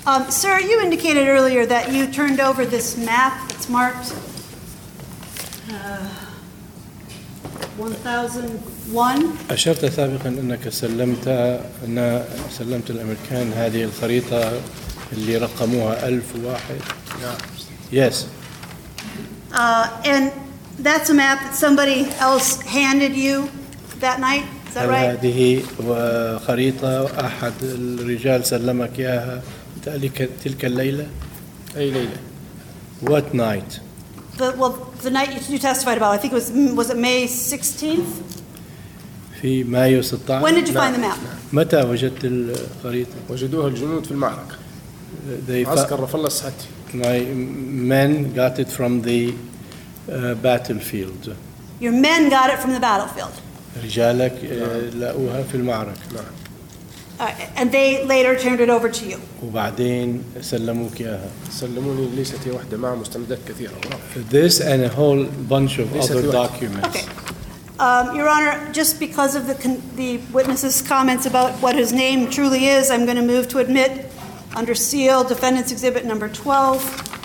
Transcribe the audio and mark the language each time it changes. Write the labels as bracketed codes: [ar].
[en] Sir, you indicated earlier that you turned over this map that's marked 1001. [ar] أشرت سابقا أنك سلمت الأمريكان هذه الخريطة اللي رقموها 1001. [en] Yes. And that's a map that somebody else handed you that night. Is that right? [ar] هذه خريطة أحد الرجال سلمك إياها. تلك الليلة؟ أي ليلة؟ [en] What night? The night you testified about. I think it was it May 16th? [ar] في مايو 16. [en] When did you find the map? [ar] متى وجدت الخريطة؟ وجدوها الجنود في المعركة. عسكر رفل الله صحتي. [en] My men got it from the battlefield. Your men got it from the battlefield. [ar] رجالك لقوها في المعركة. نعم. [en] And they later turned it over to you. [ar] وبعدين سلموك إياها. سلموني ليس هي واحدة مع مستندات كثيرة. [en] This and a whole bunch of other documents. Okay, Your Honor, just because of the witness's comments about what his name truly is, I'm going to move to admit under seal Defendant's Exhibit Number 12.